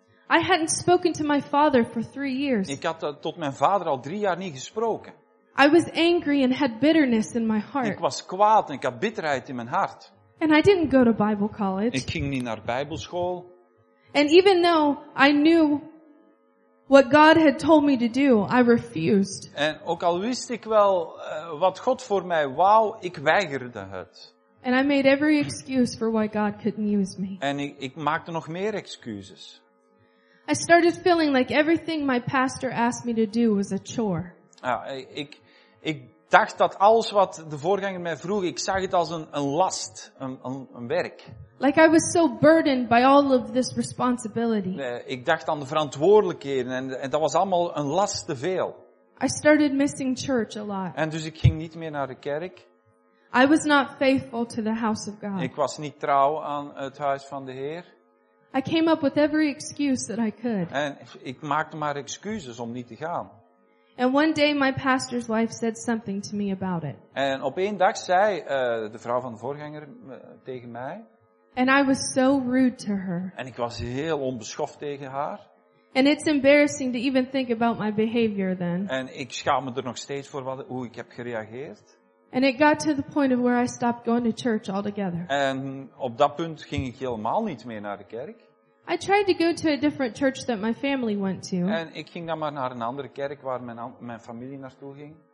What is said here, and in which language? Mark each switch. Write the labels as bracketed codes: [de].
[en] I hadn't spoken to my father for 3 years. [nl] Ik had tot mijn vader al 3 jaar niet gesproken. [en] I was angry and had bitterness in my heart. [nl] Ik was kwaad en ik had bitterheid in mijn hart. [en] And I didn't go to Bible college. [nl] Ik ging niet naar Bijbelschool. [en] And even though I knew what God had told me to do, I refused. [nl] En ook al wist ik wel wat God voor mij wou, ik weigerde het. [en] And I made every excuse for why God couldn't use me. [nl] En ik maakte nog meer excuses. [en] I started feeling like everything my pastor asked me to do was a chore. [nl] Ja, ik dacht dat alles wat de voorganger mij vroeg, ik zag het als een last, een werk. [en] Like I was so burdened by all of this responsibility. [nl] Nee, ik dacht aan de verantwoordelijkheden en dat was allemaal een last te veel. [en] I started missing church a lot. [nl] En dus ik ging niet meer naar de kerk. [en] I was not faithful to the house of God. [nl] Ik was niet trouw aan het huis van de Heer. [en] I came up with every excuse that I could. [nl] En ik maakte maar excuses om niet te gaan. [en] And one day my pastor's wife said something to me about it. [nl] En op één dag zei de vrouw van de voorganger tegen mij. [en] And I was so rude to her. [nl] En ik was heel onbeschoft tegen haar. [en] And it's embarrassing to even think about my behavior then. [nl] En ik schaam me er nog steeds voor hoe ik heb gereageerd. [en] And it got to the point of where I stopped going to church altogether. [nl] En op dat punt ging ik helemaal niet meer naar de kerk. [en] I tried to go to a different church that my family went to. [nl] En ik ging dan maar naar een andere kerk waar mijn familie naartoe ging.